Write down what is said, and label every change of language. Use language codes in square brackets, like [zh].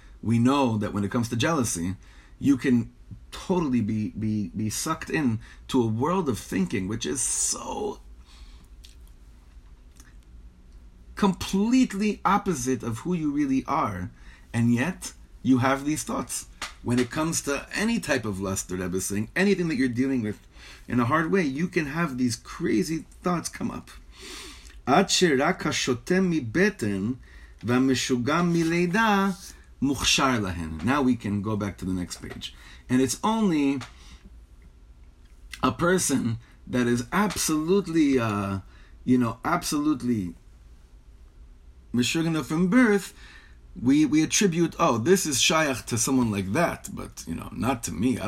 [en] We know that when it comes to jealousy, you can totally be sucked in to a world of thinking which is so completely opposite of who you really are, and yet you have these thoughts. When it comes to any type of lust, that I was saying, anything that you're dealing with in a hard way, you can have these crazy thoughts come up. [he] עד שרק השוטם מבטן והמשוגם מלידה מוכשר להן. [en] Now we can go back to the next page. And it's only a person that is absolutely meshugana from birth, we attribute, oh, this is shayach to someone like that, but, you know, not to me.